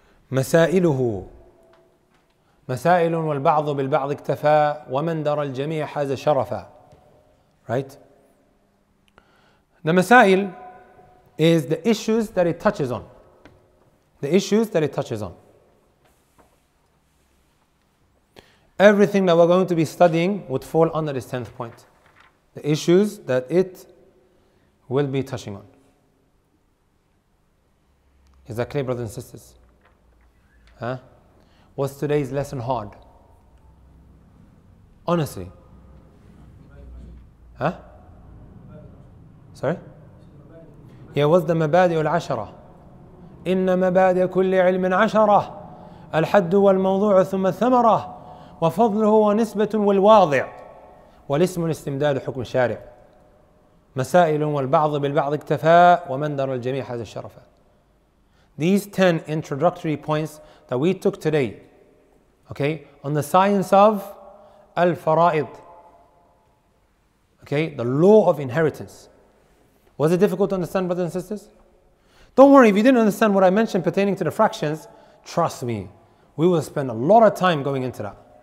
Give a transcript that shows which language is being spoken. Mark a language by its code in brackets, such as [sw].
[ar] مسائله مسائل والبعض بالبعض اكتفى ومن درى الجميع حاز شرفا. [en] Right? The مسائل is the issues that it touches on. The issues that it touches on. Everything that we're going to be studying would fall under this 10th point. The issues that it will be touching on. Is that clear, brothers and sisters? Huh? Was today's lesson hard? Honestly. Huh? Sorry? Yeah, was the mabadi ul ashara? [ar] Inna mabadi kulli ilmin ashara. Al haddu wal mawdu'u thumma thamara. Wa fadluhu wa nisbatun wal wadi'. Wal ismu al istimdadu hukm shari'. مسائل والبعض بالبعض اكتفاء ومن دار الجميع هذا الشرف. [en] These 10 introductory points that we took today, okay, on the science of al-fara'id, okay, the law of inheritance. Was it difficult to understand, brothers and sisters? Don't worry, if you didn't understand what I mentioned pertaining to the fractions, trust me, we will spend a lot of time going into that.